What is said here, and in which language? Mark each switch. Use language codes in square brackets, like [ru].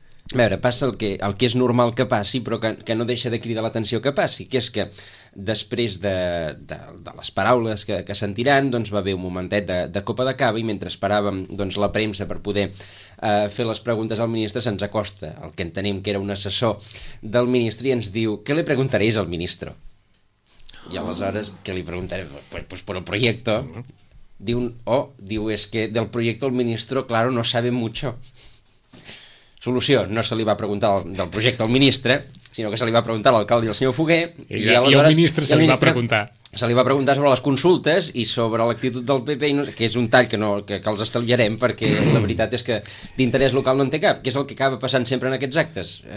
[ca] A veure, passa el que és normal que passi, però que no deixa de cridar l'atenció que passi, que és que després de les paraules que sentiran, doncs va haver un momentet de copa de cava i mentre esperàvem doncs, la premsa per poder fer les preguntes al ministre, se'ns acosta el que entenem que era un assessor del ministre i ens diu, què li [es] preguntaréis [ca] al ministre? I aleshores, què li preguntarem? [es] Pues por el proyecto. [ca] Diu, és que [es] del proyecto el ministro, claro, no sabe mucho. [ca] solució no se li va preguntar del projecte al ministre, sinó que se li va preguntar a l'alcalde i al senyor Foguer. I al ministre se li va preguntar. Se li va preguntar sobre les consultes i sobre l'actitud del PP, que és un tall que, no, que els estalviarem, perquè la veritat és que d'interès local no en té cap, que és el que acaba passant sempre en aquests actes.